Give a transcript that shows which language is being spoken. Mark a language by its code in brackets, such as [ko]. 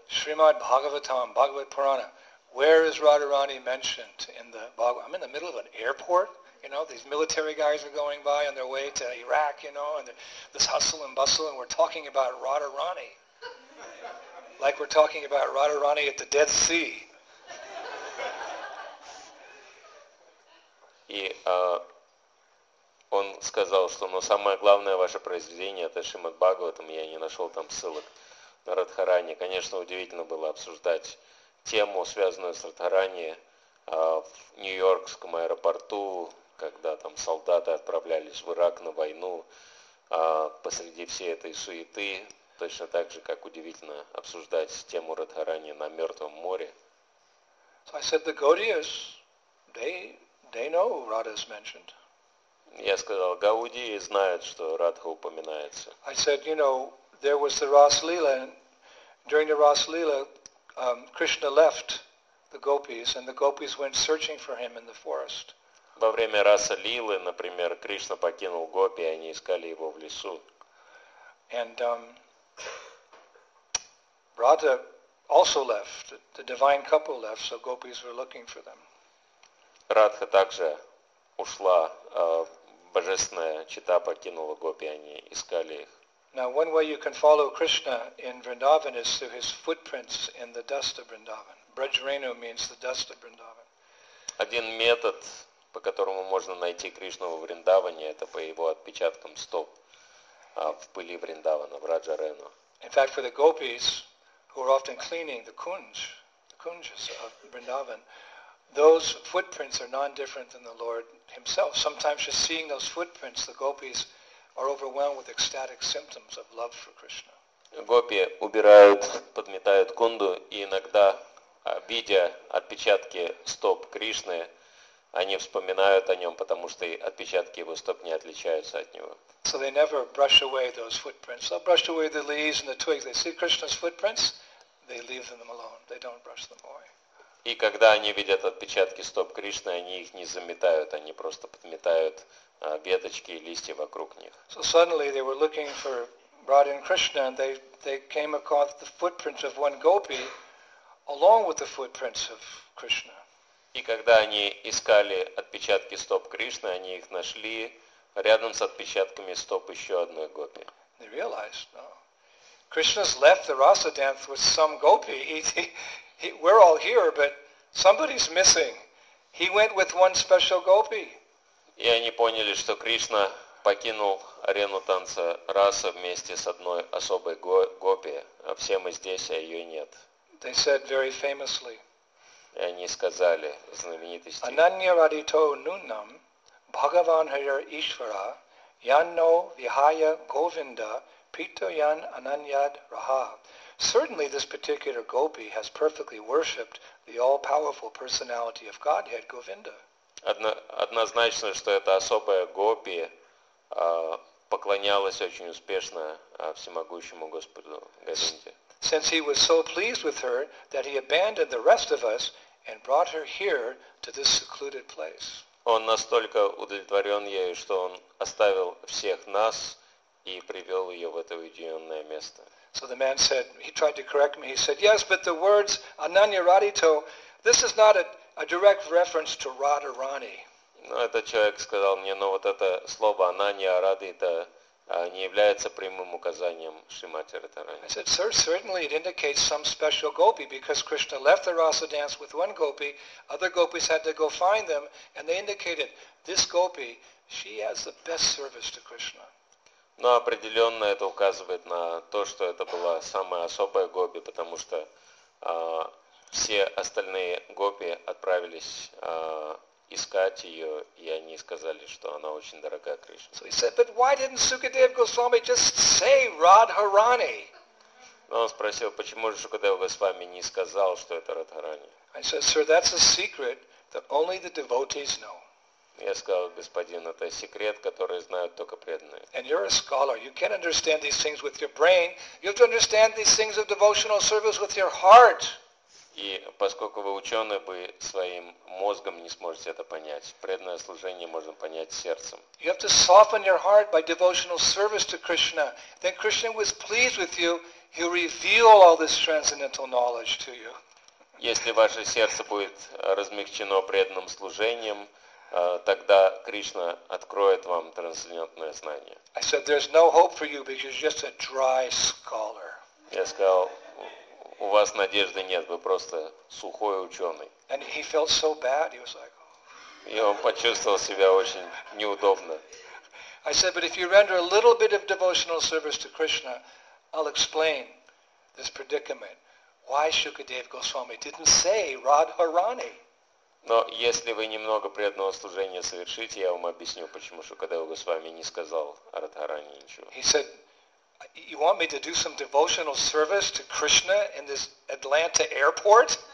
[ru] Шримад Бхагаватам, Бхагават Пурана. [en] Where is Radharani mentioned in the Bhagavatam? I'm in the middle of an airport. You know, these military guys are going by on their way to Iraq, you know, and this hustle and bustle, and we're talking about Radharani. Like we're talking about Radharani at the Dead Sea. [ru] И он сказал, что самое главное ваше произведение это Шримад Бхагаватам, я не нашел там ссылок. Радхарани. Конечно, удивительно было обсуждать тему, связанную с Радхарани, в Нью-Йоркском аэропорту, когда там солдаты отправлялись в Ирак на войну, посреди всей этой суеты, точно так же, как удивительно обсуждать тему Радхарани на Мертвом море. [en] So I said the Gaudiyas, they know Radha's mentioned. [ru] Я сказал, Гаудии знают, что Радха упоминается. [en] I said, you know, there was the Ras Lila, and during the Ras Lila, Krishna left the gopis, and the gopis went searching for him in the forest. [ru] Во время Раса Лилы, например, Кришна покинул гопи, они искали его в лесу. [en] And Radha also left. The divine couple left, so gopis were looking for them. [ru] Радха также ушла. Божественная чита покинула гопи, они искали их. [en] Now one way you can follow Krishna in Vrindavan is through his footprints in the dust of Vrindavan. Braj Renu means the dust of Vrindavan. [ru] Один метод, по которому можно найти Кришну во Вриндаване, это по его отпечаткам стоп в пыли Вриндавана, в Раджа Рену. [en] In fact, for the gopis, who are often cleaning the kunjas of Vrindavan, those footprints are non-different than the Lord himself. Sometimes just seeing those footprints, the gopis are overwhelmed with ecstatic symptoms of love for Krishna. [ru] Гопи убирают, подметают кунду, и иногда, видя отпечатки стоп Кришны, они вспоминают о нем, потому что и отпечатки его стоп не отличаются от него. [en] So they never brush away those footprints. They'll brush away the leaves and the twigs. They see Krishna's footprints, they leave them alone. They don't brush them away. [ru] И когда они видят отпечатки стоп Кришны, они их не заметают, они просто подметают веточки и листья вокруг них. [en] So suddenly they were looking for Radha and Krishna, and they came across the footprints of one gopi along with the footprints of Krishna. [ru] И когда они искали отпечатки стоп Кришны, они их нашли рядом с отпечатками стоп еще одной гопи. [en] They realized, no. Krishna's left the Rasa dance with some gopi. We're all here, but somebody's missing. He went with one special gopi. [ru] И они поняли, что Кришна покинул арену танца Раса вместе с одной особой гопи. А все мы здесь, а ее нет. [en] They said very famously. [ru] И они сказали знаменитый стих. [sa] Ананья радито нунам бхагаван хайр ишвара янно вихая говинда пито ян ананьяд раха. [en] Certainly this particular gopi has perfectly worshipped the all-powerful personality of Godhead, Govinda. [ru] Однозначно, что эта особая гопи поклонялась очень успешно всемогущему Господу Говинде. [en] Since he was so pleased with her that he abandoned the rest of us and brought her here to this secluded place. [ru] Он настолько удовлетворен ею, что он оставил всех нас и привел ее в это уединенное место. [en] So the man said, he tried to correct me, he said, yes, but the words Ananya Radito, this is not a direct reference to Radharani. [ru] Но этот человек сказал мне, но вот это слово Ананья Радито не является прямым указанием Шримати Радхарани. [en] I said, sir, certainly it indicates some special gopi, because Krishna left the Rasa dance with one gopi, other gopis had to go find them, and they indicated, this gopi, she has the best service to Krishna. [ru] Но определенно это указывает на то, что это была самая особая гопи, потому что все остальные гопи отправились искать ее, и они сказали, что она очень дорога Кришне. [en] So he said, but why didn't Sukadeva Goswami just say Radharani? [ru] Но он спросил, почему же Шукадева Госвами не сказал, что это Радхарани? [en] I said, sir, that's a secret that only the devotees know. [ru] Я сказал, господин, это секрет, который знают только преданные. [en] And you're a scholar. You can't understand these things with your brain. You have to understand these things of devotional service with your heart. [ru] И поскольку вы ученый, вы своим мозгом не сможете это понять. Преданное служение можно понять сердцем. [en] You have to soften your heart by devotional service to Krishna. Then Krishna was pleased with you. He'll reveal all this transcendental knowledge to you. [ru] Если ваше сердце будет размягчено преданным служением, тогда Кришна откроет вам трансцендентное знание. [en] I said, there's no hope for you because you're just a dry scholar. [ru] Я сказал, у вас надежды нет, вы просто сухой ученый. [en] And he felt so bad, he was like, oh. [ru] И он почувствовал себя очень неудобно. [en] I said, but if you render a little bit of devotional service to Krishna, I'll explain this predicament. Why Shukadev Goswami didn't say Radharani? [ru] Но если вы немного преданного служения совершите, я вам объясню, почему Шукадева Госвами не сказал о Радхарани ничего. [en] He said, "You want me to do some devotional service to Krishna in this Atlanta airport?"